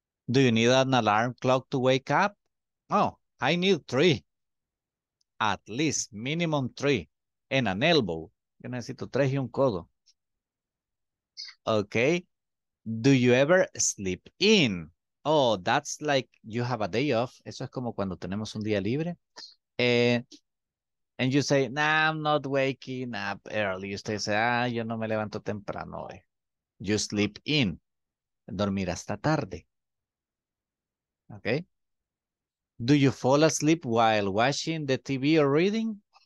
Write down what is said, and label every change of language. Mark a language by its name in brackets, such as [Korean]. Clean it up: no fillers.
[English] Do you need an alarm clock to wake up? Oh, I need 3. At least, minimum 3. And an elbow. [Spanish] Yo necesito 3 y un codo. Okay. [English] Do you ever sleep in? Oh, that's like you have a day off. [Spanish] Eso es como cuando tenemos un día libre. [English] And you say, nah, I'm not waking up early. [Spanish] Usted dice, ah, yo no me levanto temprano. [English] You sleep in. [Spanish] Dormir hasta tarde. Okay. [English] Do you fall asleep while watching the TV or reading?